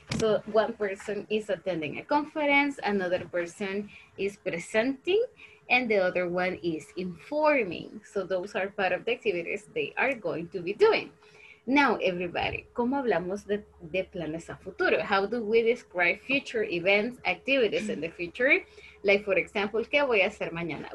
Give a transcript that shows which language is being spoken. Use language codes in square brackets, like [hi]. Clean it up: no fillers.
[en] So one person is attending a conference, another person is presenting, and the other one is informing. So those are part of the activities they are going to be doing. [es] Now, everybody, ¿cómo hablamos de planes a futuro? [en] How do we describe future events, activities in the future? [es] Like, for example, ¿qué voy a hacer mañana?